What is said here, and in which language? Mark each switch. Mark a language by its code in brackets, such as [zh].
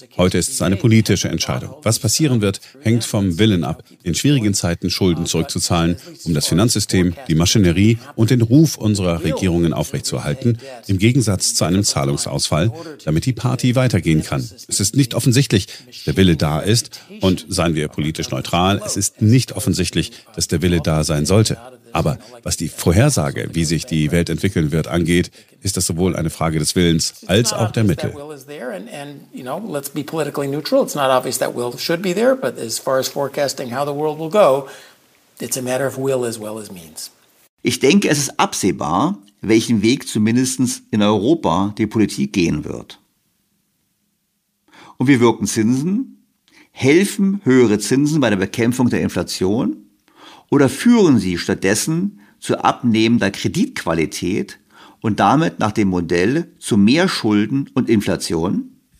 [de] Heute ist es eine politische Entscheidung. Was passieren wird, hängt vom Willen ab, in schwierigen Zeiten Schulden zurückzuzahlen, um das Finanzsystem, die Maschinerie und den Ruf unserer Regierungen aufrechtzuerhalten, im Gegensatz zu einem Zahlungsausfall, damit die Party weitergehen kann. Es ist nicht offensichtlich, dass der Wille da ist, und seien wir politisch neutral, es ist nicht offensichtlich, dass der Wille da sein sollte. Aber was die Vorhersage, wie sich die Welt entwickeln wird, angeht, ist das sowohl eine Frage des Willens als auch der Mittel. [en] Let's be politically neutral. It's not obvious that will should be there, but as far as forecasting how the world will go, it's a matter of will as well as means. [de] Ich denke, es ist absehbar, welchen Weg zumindest in Europa die Politik gehen wird. Und wie wirken Zinsen? Helfen höhere Zinsen bei der Bekämpfung der Inflation? Oder führen sie stattdessen zu abnehmender Kreditqualität und damit nach dem Modell zu mehr Schulden und Inflation?